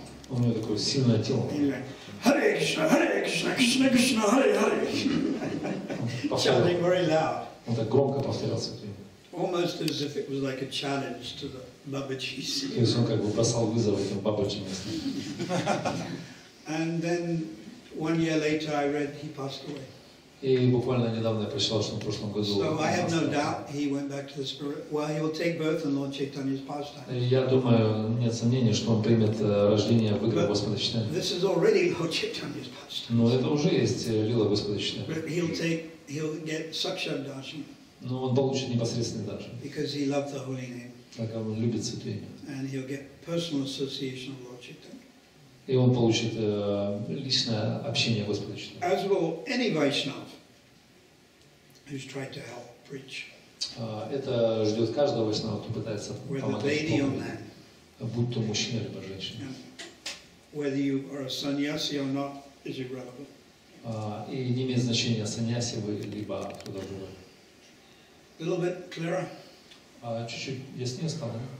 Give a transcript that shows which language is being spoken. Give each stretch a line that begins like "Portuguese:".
Russian: У него такое сильное тело.
Sanskrit: Hare Krishna, Hare Krishna, Krishna Krishna, Hare Hare.
English: Chanting very loud.
Russian: Он так громко повторял ступени.
English: Almost as if it was like a challenge to the Babaji's.
Russian: То есть он как бы бросал вызов этим Бабаджи местным.
English: And then one year later I read he passed away.
Russian: И буквально недавно я прочитал, что в прошлом году.
English: So I have no doubt he went back to the spirit. Well, he will take birth in Lord Chaitanya's pastime.
Russian: Я думаю, нет сомнения, что он примет рождение в игре Господа Читания.
English: This is already Lord Chaitanya's pastime.
Russian: Но это уже есть лила Господа Читания.
English: But he'll get Sakshat Darshan.
Russian: Но он получит непосредственный даршан.
English: Because he loved the holy name.
Russian: Так как он любит святое имя.
English: And he'll get personal association with Lord Chaitanya.
Russian: И он получит личное общение Господа Читания.
English: As will any Vaishnav who's tried to help preach.
Russian: Это ждет каждого Вайшнава, кто пытается помогать проповеди. Будь то мужчина либо женщина.
English: Whether you are a sannyasi or not is irrelevant.
Russian: И не имеет значения, sannyasi вы либо кто-то другой.
English: Little bit clearer.
Russian: Чуть-чуть яснее стало, да?